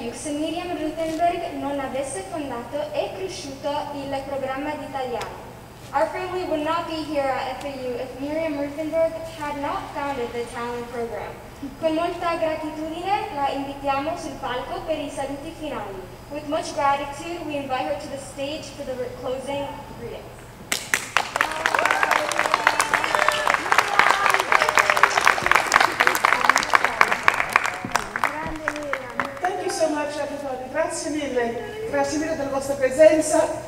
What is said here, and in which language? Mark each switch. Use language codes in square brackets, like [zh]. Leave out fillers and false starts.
[it] Myriam Ruthenberg non avesse fondato e cresciuto il programma d'italiano. [en] Our family would not be here at FAU if Myriam Ruthenberg had not founded the talent program. [it] Con molta gratitudine la invitiamo sul palco per I saluti finali. [en] With much gratitude, we invite her to the stage for the closing greetings. [it] Grazie mille della vostra presenza.